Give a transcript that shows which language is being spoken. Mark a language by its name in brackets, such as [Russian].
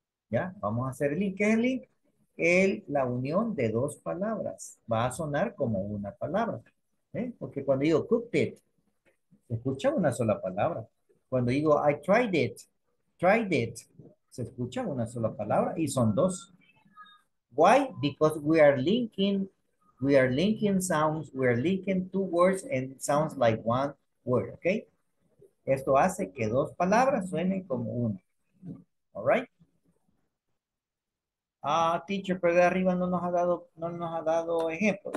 [Spanish] ¿Ya? Vamos a hacer el link. ¿Qué es el link? La unión de dos palabras. Va a sonar como una palabra. ¿Eh? Porque cuando digo [English] cooked it, [Spanish] se escucha una sola palabra. Cuando digo [English] I tried it, [Spanish] se escucha una sola palabra y son dos. [English] Why? Because we are linking sounds, we are linking two words and it sounds like one word, okay? [Spanish] Esto hace que dos palabras suenen como una. [English] All right? [Spanish] Teacher, pero de arriba no nos ha dado ejemplo.